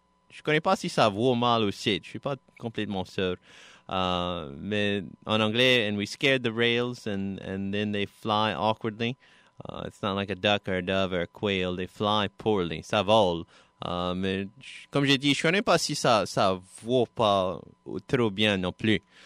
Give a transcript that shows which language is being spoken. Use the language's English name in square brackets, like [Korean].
[French] Je connais pas si ça vaut mal aussi. Je suis pas complètement sûr. Mais en anglais, [English] and we scared the rails, and then they fly awkwardly. It's not like a duck or a dove or a quail. They fly poorly. [French] Ça vole. Mais comme j'ai dit, je connais pas si ça vaut pas trop bien non plus.